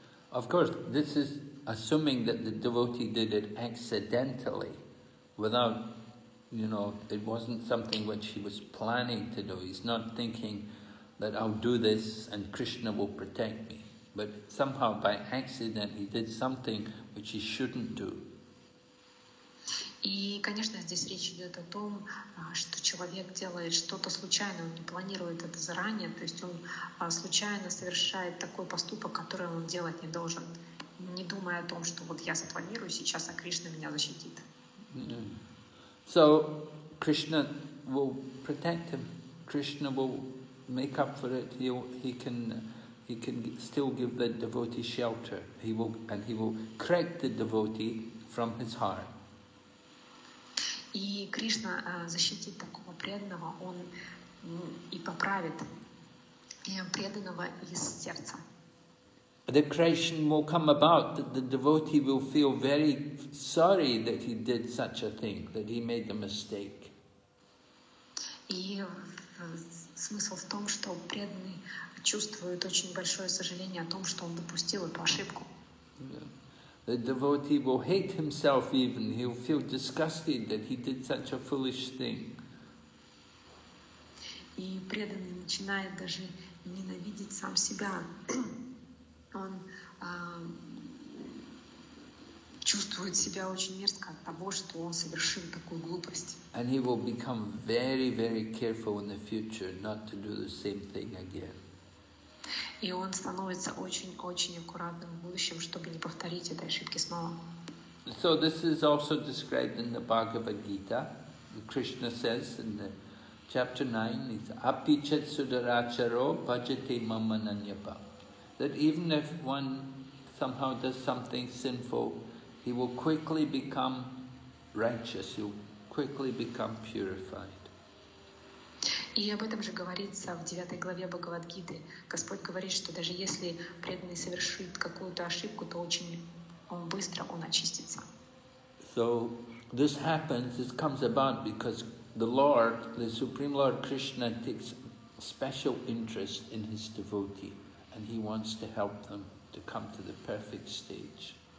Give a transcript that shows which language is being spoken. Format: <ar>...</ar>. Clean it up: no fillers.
<en>Of course, this is assuming that the devotee did it accidentally, without, you know, it wasn't something which he was planning to do. He's not thinking, that I'll do this and Krishna will protect me. But somehow by accident he did something which he shouldn't do.</en> <ru>И, конечно, здесь речь идет о том, что человек делает что-то случайно, он не планирует это заранее, то есть он случайно совершает такой поступок, который он делать не должен, не думая о том, что вот я запланирую сейчас, а Кришна меня защитит.</ru> <en>So, Krishna will protect him. Krishna will make up for it. He can still give the devotee shelter. He will correct the devotee from his heart.</en> <ru>И Кришна защитит такого преданного, он и поправит преданного из сердца.</ru> <en>The creation will come about that the devotee will feel very sorry that he did such a thing, that he made a mistake.</en> <ru>И смысл в том, что преданный чувствует очень большое сожаление о том, что он допустил эту ошибку.</ru> <en>The devotee will hate himself even. He'll feel disgusted that he did such a foolish thing.</en> <ru>И преданный начинает даже ненавидеть сам себя. Он чувствует себя очень мерзко от того, что он совершил такую глупость.</ru> <en>And he will become very, very careful in the future not to do the same thing again.</en> <ru>И он становится очень-очень аккуратным в будущем, чтобы не повторить этой ошибки снова.</ru> <en>So this is also described in the Bhagavad Gita. Krishna says in the chapter 9,</en> <sa>api chet sudaracharo bhajate mamananyapa.</sa> <en>That even if one somehow does something sinful, he will quickly become righteous, he will quickly become purified.</en> <ru>И об этом же говорится в 9 главе Бхагавад-гиты. Господь говорит, что даже если преданный совершит какую-то ошибку, то очень он быстро он очистится.</ru> <en>So this happens, this comes about because the Lord, the Supreme Lord Krishna, takes special interest in his devotee and he wants to help them to come to the perfect stage.</en>